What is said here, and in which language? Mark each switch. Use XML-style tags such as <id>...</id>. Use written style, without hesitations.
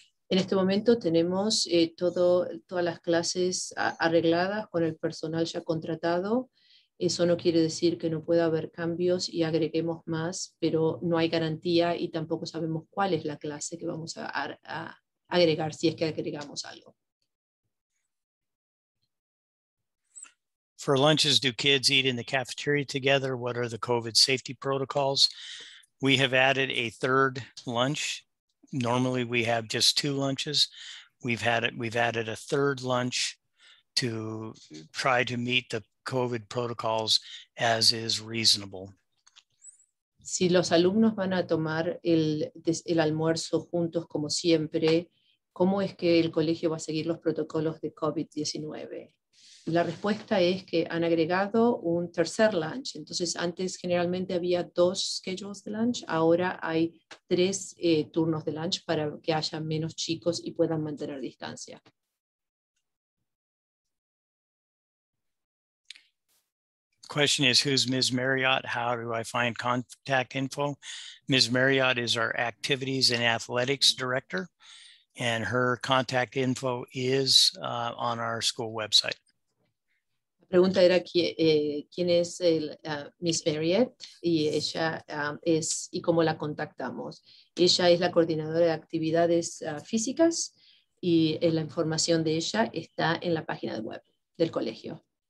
<es>En este momento tenemos todas las clases arregladas con el personal ya contratado. Eso no quiere decir que no pueda haber cambios y agreguemos más, pero no hay garantía y tampoco sabemos cuál es la clase que vamos a agregar si es que agregamos algo.</es> <en>For lunches, do kids eat in the cafeteria together? What are the COVID safety protocols? We have added a third lunch. Normally we have just two lunches. We've added a third lunch to try to meet the COVID protocols as is reasonable.</en> <es>Si los alumnos van a tomar el almuerzo juntos como siempre, ¿cómo es que el colegio va a seguir los protocolos de COVID-19? La respuesta es que han agregado un tercer lunch. Entonces, antes generalmente había dos schedules de lunch. Ahora hay tres turnos de lunch para que haya menos chicos y puedan mantener distancia.</es> <en>Question is, who's Ms. Marriott? How do I find contact info? Ms. Marriott is our activities and athletics director, and her contact info is on our school website.</en> <es>Pregunta era quién es Miss Marriott y ella es y cómo la contactamos. Ella es la coordinadora de actividades físicas y la información de ella está en la página web del colegio.</es>